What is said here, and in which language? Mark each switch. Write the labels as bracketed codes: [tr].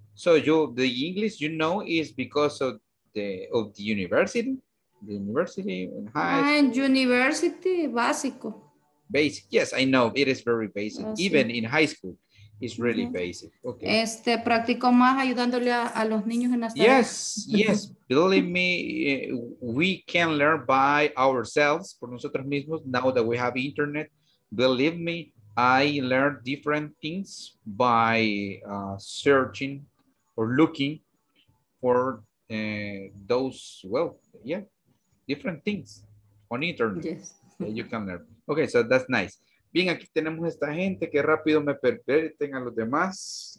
[en] So the English you know is because of the university? The university and high school. And university básico. Basic, yes, I know it is very basic. Oh, even sí. In high school, it's really mm-hmm. basic. Okay. [es] Practico más ayudándole a los niños en las [en] yes, tareas. Yes. Believe me, we can learn by ourselves [es] por nosotros mismos [en] now that we have internet. Believe me, I learned different things by searching. Or looking for those, well, yeah, different things on internet. Yes. Yeah, you can learn. Okay, so that's nice. [es] Bien, aquí tenemos esta gente que rápido me perpeten a los demás.